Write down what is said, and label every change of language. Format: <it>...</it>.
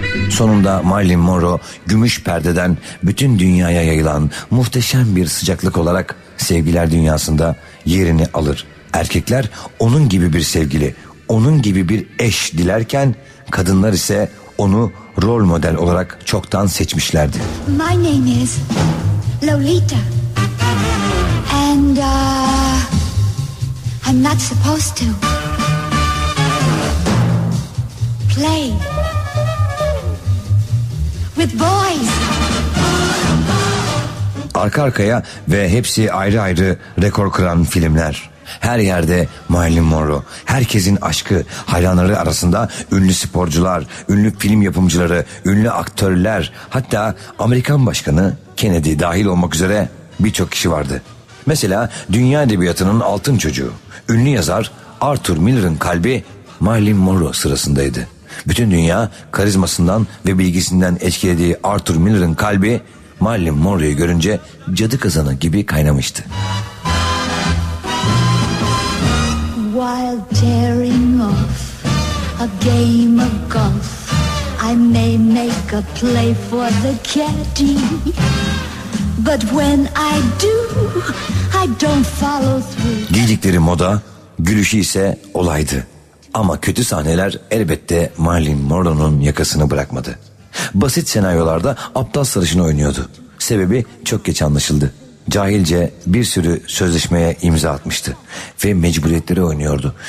<tr>Sonunda Marilyn Monroe gümüş perdeden bütün dünyaya yayılan muhteşem bir sıcaklık olarak sevgiler dünyasında yerini alır. Erkekler onun gibi bir sevgili, onun gibi bir eş dilerken kadınlar ise onu rol model olarak çoktan seçmişlerdi.</tr> <en>My name is Lolita. And I'm not supposed to play with boys.</en> <tr>Arka arkaya ve hepsi ayrı ayrı rekor kıran filmler. Her yerde Marilyn Monroe, herkesin aşkı, hayranları arasında ünlü sporcular, ünlü film yapımcıları, ünlü aktörler, hatta Amerikan Başkanı Kennedy dahil olmak üzere birçok kişi vardı. Mesela dünya edebiyatının altın çocuğu, ünlü yazar Arthur Miller'ın kalbi Marilyn Monroe sırasındaydı. Bütün dünya karizmasından ve bilgisinden etkilediği Arthur Miller'ın kalbi Marilyn Monroe'yu görünce cadı kazanı gibi kaynamıştı.</tr> <en>Tearing off a game of golf, I may make a play for the caddy, but when I do, I don't follow through.</en> <tr>Giydikleri moda, gülüşü ise olaydı. Ama kötü sahneler elbette Marilyn Monroe'nun yakasını bırakmadı. Basit senaryolarda aptal sarışını oynuyordu. Sebebi çok geç anlaşıldı. Cahilce bir sürü sözleşmeye imza atmıştı ve mecburiyetleri oynuyordu.</tr>